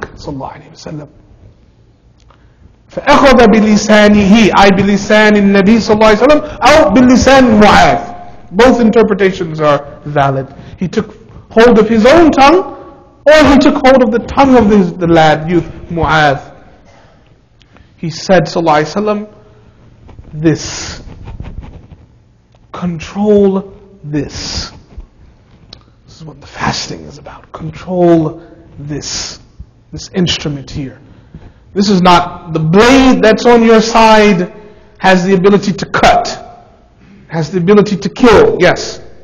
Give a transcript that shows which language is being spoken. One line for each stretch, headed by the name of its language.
Arabic: ﷺ. فَأَخَذَ بِلِسَانِهِ أَيْ بِلِسَانِ النَّبِي صلى الله عليه وسلم أَوْ بِلِسَانِ مُعَاذ.
English: Both interpretations are valid. He took hold of his own tongue, or he took hold of the tongue of the lad, youth, Mu'adh. He said, صلى الله عليه وسلم, this. Control this. This is what the fasting is about. Control this. This instrument here. This is not the blade that's on your side has the ability to cut, has the ability to kill, yes.